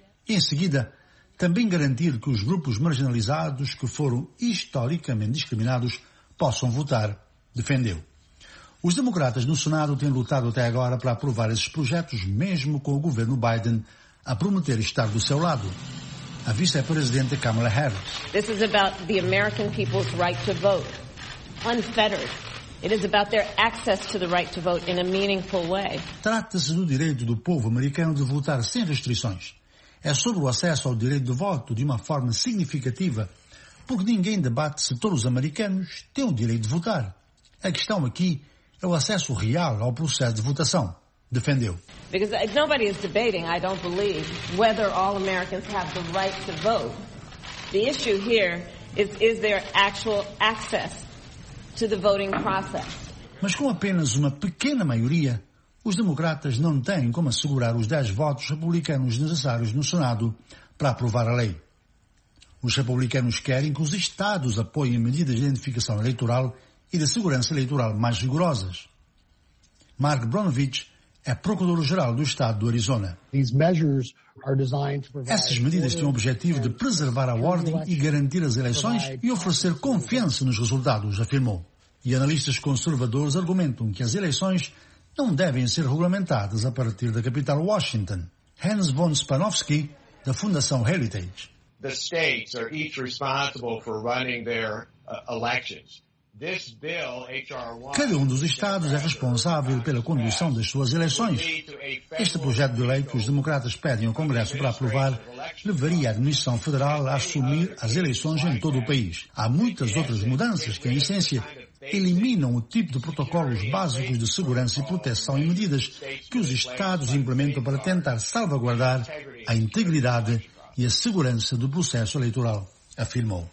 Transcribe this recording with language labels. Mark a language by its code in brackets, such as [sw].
[pt] E, em seguida, também garantir que os grupos marginalizados que foram historicamente discriminados possam votar, defendeu. Os democratas no Senado têm lutado até agora para aprovar esses projetos, mesmo com o governo Biden a prometer estar do seu lado. A vice-presidente Kamala Harris. [en] This is about the American people's right to vote, unfettered. It is about their access to the right to vote in a meaningful way. [pt] Trata-se do direito do povo americano de votar sem restrições. É sobre o acesso ao direito de voto de uma forma significativa, porque ninguém debate se todos os americanos têm o direito de votar. A questão aqui é o acesso real ao processo de votação, defendeu. [en] Because nobody is debating, I don't believe, whether all Americans have the right to vote. The issue here is their actual access to the voting process. [pt] Mas com apenas uma pequena maioria, os democratas não têm como assegurar os 10 votos republicanos necessários no Senado para aprovar a lei. Os republicanos querem que os estados apoiem medidas de identificação eleitoral e de segurança eleitoral mais rigorosas. Mark Bronovich é procurador-geral do estado do Arizona. Essas medidas têm o objetivo de preservar a ordem e garantir as eleições e oferecer confiança nos resultados, afirmou. E analistas conservadores argumentam que as eleições não devem ser regulamentadas a partir da capital Washington. Hans von Spanowski, da Fundação Heritage. [en] The states are each responsible for running their elections. This bill, H.R. 1, [pt] cada um dos estados é responsável pela condução das suas eleições. Este projeto de lei que os democratas pedem ao Congresso para aprovar levaria a administração federal a assumir as eleições em todo o país. Há muitas outras mudanças que, em essência, eliminam o tipo de protocolos básicos de segurança e proteção e medidas que os estados implementam para tentar salvaguardar a integridade e a segurança do processo eleitoral, afirmou.